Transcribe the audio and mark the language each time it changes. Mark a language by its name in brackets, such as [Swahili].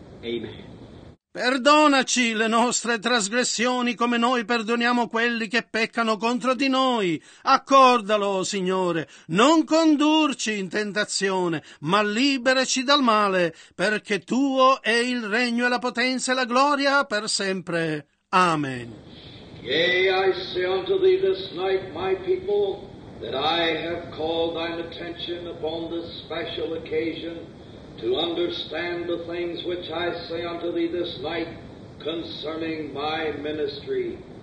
[English] Amen. [Italian] Perdonaci le nostre trasgressioni come noi perdoniamo quelli che peccano contro di noi. Accordalo, Signore, non condurci in tentazione, ma liberaci dal male, perché Tuo è il regno e la potenza e la gloria per sempre. Amen. [English] Yea, I say unto thee this night, my people, that I have called thine attention upon this special occasion, to understand the things which I say unto thee this night concerning my ministry.